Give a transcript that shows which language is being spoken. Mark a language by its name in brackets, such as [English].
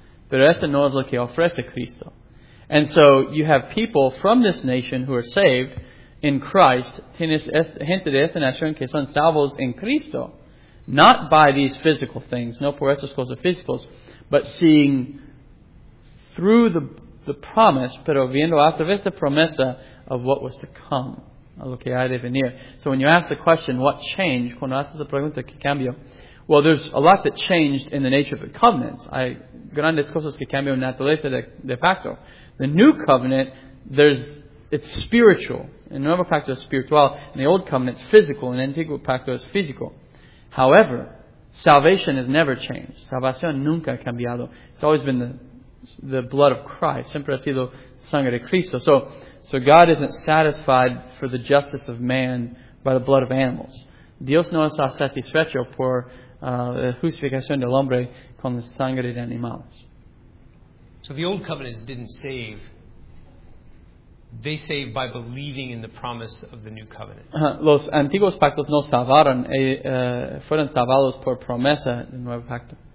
[Spanish] Pero eso no es lo que ofrece Cristo. [English] And so, you have people from this nation who are saved in Christ. [Spanish] Tienes gente de esta nación que son salvos en Cristo. [English] Not by these physical things, [Spanish] no por esas cosas físicas, [English] but seeing through the promise, [Spanish] pero viendo a través de la promesa [English] of what was to come, [Spanish] a lo que ha de venir. [English] So when you ask the question, what changed? [Spanish] Cuando haces la pregunta, ¿qué cambió? [English] Well, there's a lot that changed in the nature of the covenants. [Spanish] Hay grandes cosas que cambió en la naturaleza de facto. [English] The new covenant, it's spiritual. [Spanish] En el nuevo pacto es espiritual. [English] In the old covenant, it's physical. [Spanish] In the antiguo pacto, es físico. [English] However, salvation has never changed. [Spanish] Salvación nunca ha cambiado. [English] It's always been the blood of Christ. [Spanish] Siempre ha sido sangre de Cristo. [English] So God isn't satisfied for the justice of man by the blood of animals. [Spanish] Dios no está satisfecho por la justificación del hombre con la sangre de animales. [English] So the old covenants didn't save. They save by believing in the promise of the new covenant. [Spanish] Los antiguos pactos no salvaron, fueron salvados por promesa del nuevo pacto.